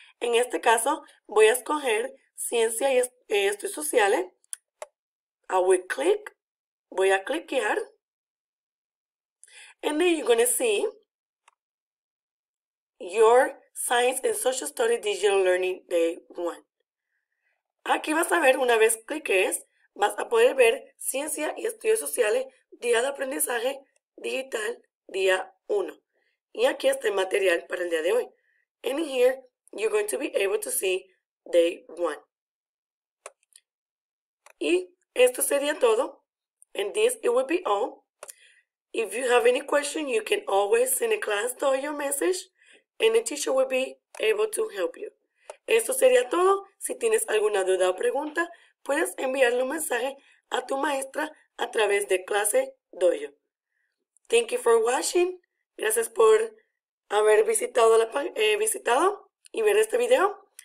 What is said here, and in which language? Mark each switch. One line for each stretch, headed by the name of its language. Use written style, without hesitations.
Spanish: En este caso, voy a escoger Ciencia y Estudios Sociales.
English: I will click.
Spanish: Voy a cliquear.
English: And then you're going to see your Science and Social Studies Digital Learning Day 1.
Spanish: Aquí vas a ver, una vez cliques, vas a poder ver Ciencia y Estudios Sociales, Día de Aprendizaje Digital, Día 1. Y aquí está el material para el día de hoy.
English: And here, you're going to be able to see Day 1.
Spanish: Y esto sería todo.
English: And this, it will be all. If you have any question, you can always send a class to your message. And the teacher will be able to help you.
Spanish: Esto sería todo. Si tienes alguna duda o pregunta, puedes enviarle un mensaje a tu maestra a través de clase Dojo.
English: Thank you for watching.
Spanish: Gracias por haber visitado y ver este video.